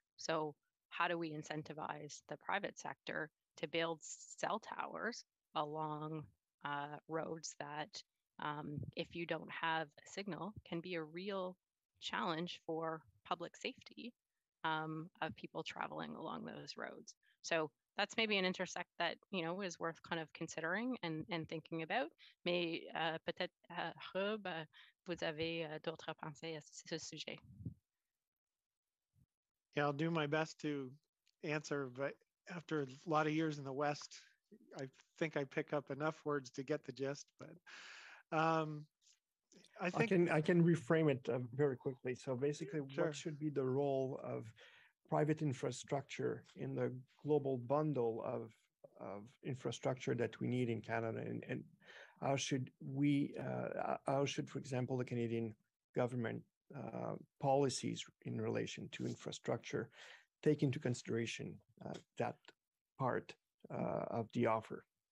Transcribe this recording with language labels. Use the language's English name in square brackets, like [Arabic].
[English] So how do we incentivize the private sector to build cell towers along roads that, if you don't have a signal, can be a real challenge for public safety of people traveling along those roads? So that's maybe an intersect that, you know, is worth kind of considering and thinking about. [French] Mais peut-être, Herb, vous avez d'autres pensées à ce sujet? [English] Yeah, I'll do my best to answer, but after a lot of years in the West, I think I pick up enough words to get the gist, but I can reframe it very quickly. So basically, sure. What should be the role of private infrastructure in the global bundle of infrastructure that we need in Canada, and how should we, for example, the Canadian government policies in relation to infrastructure take into consideration that part of the offer?